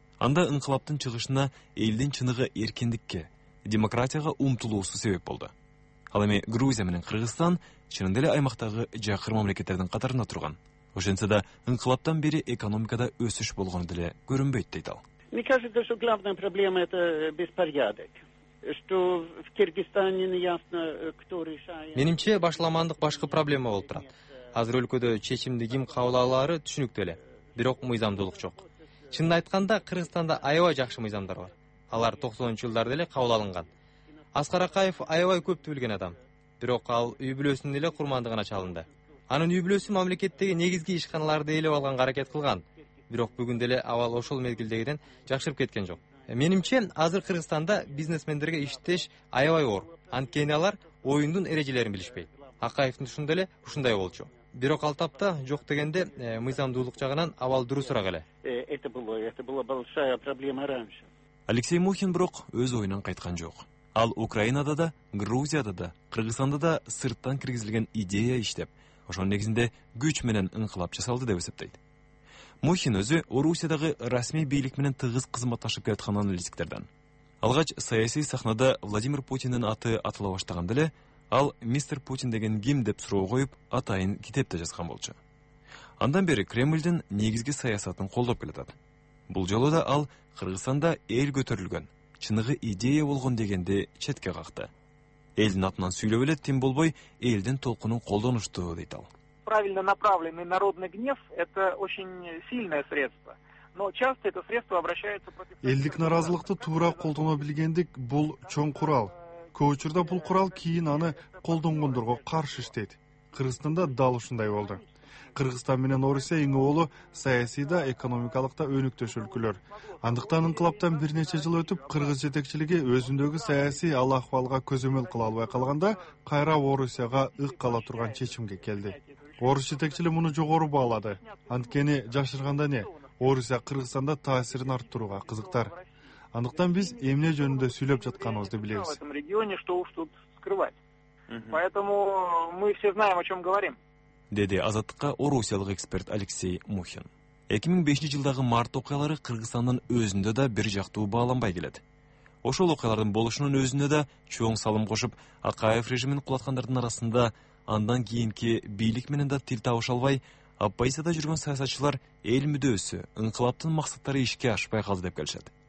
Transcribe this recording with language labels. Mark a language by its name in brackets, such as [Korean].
[Kyrgyz] Анда инкылаптын чыгышына элдин чыныгы эркиндикке, демократияга умтулуусу себеп болду. Ал эми Грузия менен Кыргызстан чынында эле аймактагы жакыр мамлекеттердин катарында турган. Ошентсе да инкылаптан бери экономикада өсүш болгону деле көрүнбөйт, дейт ал. [Russian] Мне кажется, что главная проблема это беспорядок. Что в Кыргызстане неясно, кто решает. [Kyrgyz] Менимче башламандык башкы проблема болуп турат. Азыр өлкөдө чечимди ким кабылалары түшүнүктүү эле, бирок мыйзамдуулук жок. Чынын айтканда Кыргызстанда аябай жакшы мыйзамдар бар. Алар 90-жылдарда эле кабыл алынган. Аскар Акаев аябай көптү билген адам, бирок ал үй бүлөсүнүн эле курмандыгына чалынды. Анын үй бүлөсү мамлекеттеги негизги ишканаларды ээлеп алганга аракет кылган, бирок бүгүн деле абал ошол мезгилдегиден жакшырып кеткен жок. Менимче азыр Кыргызстанда бизнесмендерге иштеш аябай оор, анткени алар оюндун эрежелерин билишпейт. Акаевдин ушундай эле ушундай болчу. Бирок ал тапта жок дегенде мыйзамдуулук жагынан абал дурусураак эле. [Russian] Это была большая проблема раньше. [Kyrgyz] Алексей Мухин бирок өз оюнан кайткан жок. Ал Украинада да, Грузияда да, Кыргызстанда да сырттан киргизилген идея иштеп, ошонун негизинде күч менен инкылап жасалды деп эсептейт. Мухин өзү Орусиядагы расмий бийлик менен тыгыз кызматташып келаткан аналитиктерден. Алгач саясий сахнада Владимир Путиндин аты атыла баштаганда эле ал мистер Путин деген ким деп суроо коюп, атайын китеп да жазган болчу. Андан бери Кремлдин негизги саясатын колдоп келатат. Бул жолу да ал Кыргызстанда эл көтөрүлгөн, чыныгы идея болгон дегенди четке какты. Элдин атынан сүйлөп эле тим болбой, элдин толкунун колдонушту, дейт ал. [Russian] Правильно направленный народный гнев – это очень сильное средство. Но часто это средство обращается против... [Kyrgyz] Элдик наразылыкты туура колдоно билгендик, бул чоң курал. көчүрдө бул курал кийин аны колдонгондорго каршы иштейт. Кыргызстанда дал ушундай болду. Кыргызстан менен Орусия иңөөлү саясий да, экономикалык да өнүктөш өлкөлөр. Андыктан инкылаптан бир нече жыл өтүп, кыргыз жетекчилиги өзүндөгү саясий ал акыбалга көзөмөл кыла албай калганда, кайра Орусияга ыккала турган чечимге келди. Орус жетекчилиги муну жогору баалады. Анткени жашырганда эмне? Орусия Кыргызстанда таасирин арттырууга кызыктар. Андыктан биз эмне жөнүндө сүйлөп жатканыбызды билебиз. [Russian] Поэтому мы все знаем, о чем говорим. [Kyrgyz] Деди азаттыкка орусиялык эксперт Алексей Мухин. 2005 жылдагы март окуялары Кыргызстандын өзүндө да бир жактуу бааланбай келет. Ошол окуялардын болушунун өзүндө да чоң салым кошуп, Акаев режимин кулаткандардын арасында андан кийинки бийлик менен да тил табыша албай, оппозицияда жүргөн саясатчылар эл мүдөөсү, инкылаптын максаттары ишке ашпай калды деп келишет.